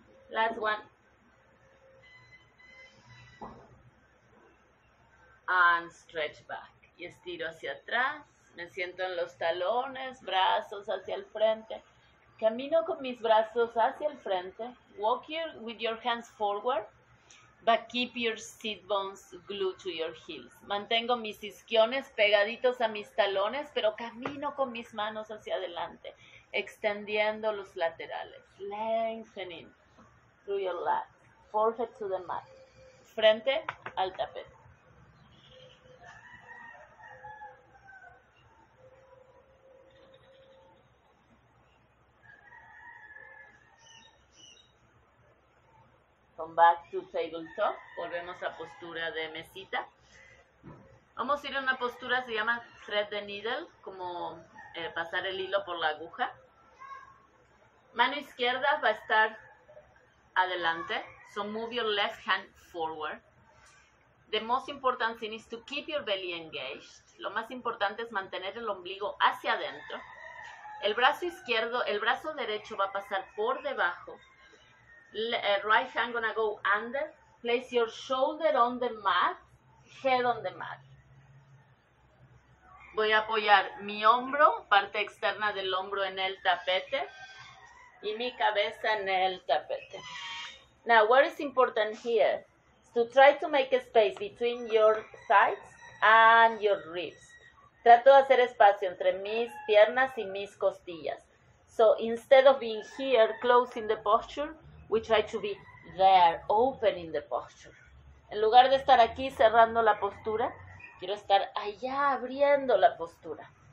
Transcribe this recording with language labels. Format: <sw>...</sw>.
<en>Last one. And stretch back.</en> <es>Y estiro hacia atrás. Me siento en los talones, brazos hacia el frente. Camino con mis brazos hacia el frente.</es> <en>Walk here with your hands forward, but keep your sit bones glued to your heels.</en> <es>Mantengo mis isquiones pegaditos a mis talones, pero camino con mis manos hacia adelante, extendiendo los laterales.</es> <en>Lengthening through your lat. Forehead to the mat.</en> <es>Frente al tapete.</es> <en>Back to tabletop,</en> <es>volvemos a postura de mesita. Vamos a ir a una postura, se llama</es> <en>thread the needle,</en> <es>como pasar el hilo por la aguja. Mano izquierda va a estar adelante,</es> <en>so move your left hand forward. The most important thing is to keep your belly engaged.</en> <es>Lo más importante es mantener el ombligo hacia adentro. El brazo izquierdo, el brazo derecho va a pasar por debajo.</es> <en>Right hand gonna go under. Place your shoulder on the mat, head on the mat.</en> <es>Voy a apoyar mi hombro, parte externa del hombro en el tapete y mi cabeza en el tapete.</es> <en>Now, what is important here is to try to make a space between your thighs and your ribs.</en> <es>Trato de hacer espacio entre mis piernas y mis costillas.</es> <en>So, instead of being here, closing the posture, we try to be there, opening the posture.</en> <es>En lugar de estar aquí cerrando la postura, quiero estar allá abriendo la postura.</es>